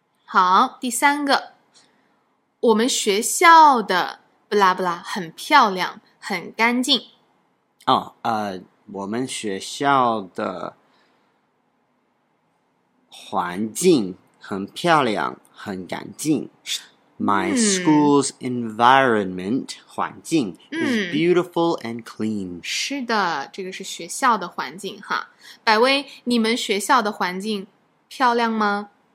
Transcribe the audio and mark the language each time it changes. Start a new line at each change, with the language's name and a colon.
Chinese: 好，第三个，我们学校的布拉布拉很漂亮，很干净。哦，我们学校的环境很漂亮，很干净。
English: My school's environment 环境 is beautiful and clean。
Chinese: 是的，这个是学校的环境哈。百威，你们学校的环境漂亮吗？